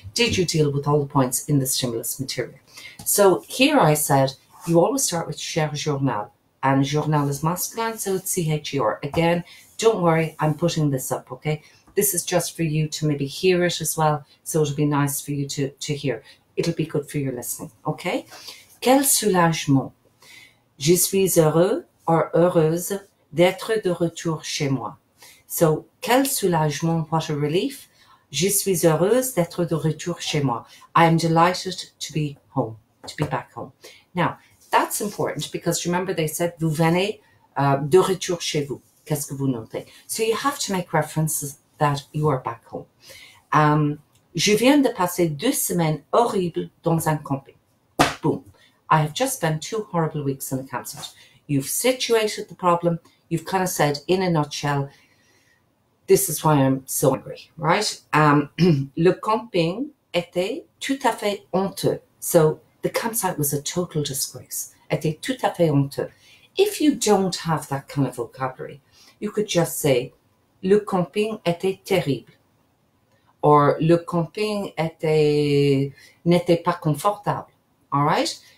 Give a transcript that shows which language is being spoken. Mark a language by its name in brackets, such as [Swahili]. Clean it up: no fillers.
[English] Did you deal with all the points in the stimulus material? So here I said, you always start with [French] cher journal, [English] and journal is masculine, so it's CHER. Again, don't worry, I'm putting this up, okay? This is just for you to maybe hear it as well, so it'll be nice for you to hear. It'll be good for your listening, okay? [French] Quel soulagement! Je suis heureux or heureuse d'être de retour chez moi. So, quel soulagement! [English] What a relief! [French] Je suis heureuse d'être de retour chez moi. [English] I am delighted to be home, to be back home. Now, that's important because remember they said, [French] vous venez de retour chez vous. Qu'est-ce que vous notez? [English] So, you have to make references that you are back home. [French] Je viens de passer 2 semaines horribles dans un camping. [English] Boom. I have just spent 2 horrible weeks in a campsite. You've situated the problem. You've kind of said, in a nutshell, this is why I'm so angry, right? [French] Le camping était tout à fait honteux. [English] So the campsite was a total disgrace. [French] Était tout à fait honteux. [English] If you don't have that kind of vocabulary, you could just say, [French] le camping était terrible. Or le camping n'était pas confortable, [English] all right?